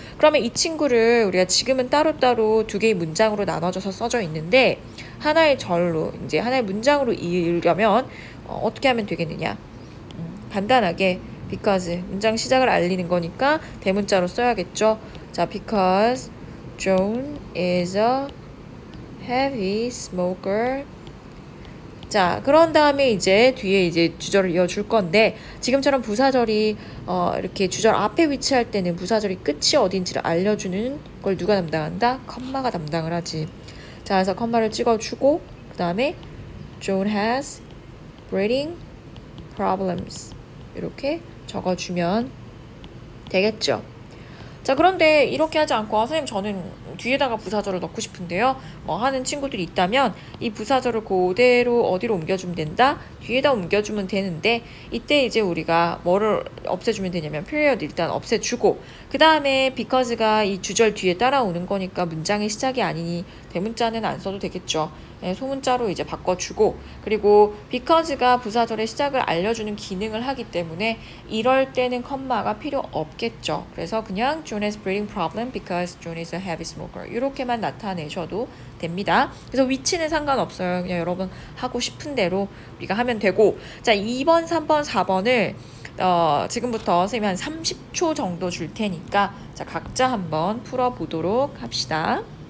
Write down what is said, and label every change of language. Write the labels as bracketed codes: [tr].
[ko] 그러면 이 친구를 우리가 지금은 따로따로 두 개의 문장으로 나눠져서 써져 있는데 하나의 절로 이제 하나의 문장으로 이으려면 어떻게 하면 되겠느냐? 간단하게 because 문장 시작을 알리는 거니까 대문자로 써야겠죠. 자, [en] because John is a heavy smoker. [ko] 자, 그런 다음에 이제 뒤에 이제 주절을 이어줄 건데 지금처럼 부사절이 이렇게 주절 앞에 위치할 때는 부사절이 끝이 어딘지를 알려주는 걸 누가 담당한다? 콤마가 담당을 하지. 자, 그래서 콤마를 찍어주고 그 다음에 [en] John has breathing problems [ko] 이렇게 적어주면 되겠죠. 자, 그런데 이렇게 하지 않고, 아, 선생님, 저는 뒤에다가 부사절을 넣고 싶은데요. 뭐 하는 친구들이 있다면, 이 부사절을 그대로 어디로 옮겨주면 된다? 뒤에다 옮겨주면 되는데, 이때 이제 우리가 뭐를 없애주면 되냐면, period 일단 없애주고, 그 다음에 because가 이 주절 뒤에 따라오는 거니까 문장의 시작이 아니니, 대문자는 안 써도 되겠죠. 네, 소문자로 이제 바꿔주고, 그리고 because가 부사절의 시작을 알려주는 기능을 하기 때문에 이럴 때는 컴마가 필요 없겠죠. 그래서 그냥 [en] John has breathing problem because John is a heavy smoker. [ko] 이렇게만 나타내셔도 됩니다. 그래서 위치는 상관없어요. 그냥 여러분 하고 싶은 대로 우리가 하면 되고. 자, 2번, 3번, 4번을 지금부터 선생님이 한 30초 정도 줄 테니까 자, 각자 한번 풀어보도록 합시다.